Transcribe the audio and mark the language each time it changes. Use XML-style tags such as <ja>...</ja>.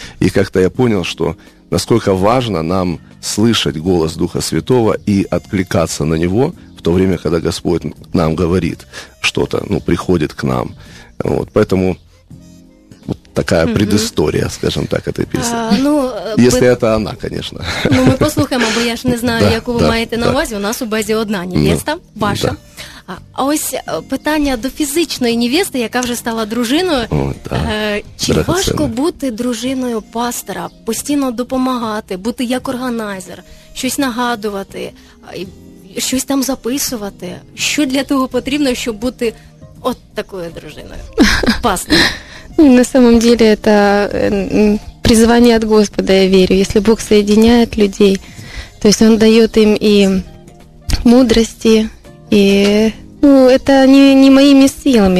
<ru>И как-то я понял, что насколько важно нам слышать голос Духа Святого и откликаться на него в то время, когда Господь нам говорит что-то, ну, приходит к нам. Вот, поэтому... Вот такая предыстория, скажем так, этой песни. Если это она, конечно.</ru> <uk>Ну, мы послухаем, або я ж не знаю, яку ви маєте на увазі. У нас у базі одна невеста, ваша. Да. А ось питання до фізичної невести, яка вже стала дружиною. Чи важко бути дружиною пастора, постійно допомагати, бути як органайзер, щось нагадувати, щось там записувати? Що для того потрібно, щоб бути от такою дружиною, пастором?</uk> <ru>На самом деле это призвание от Господа, я верю. Если Бог соединяет людей, то есть Он дает им и мудрости, и, ну, это не моими силами.</ru>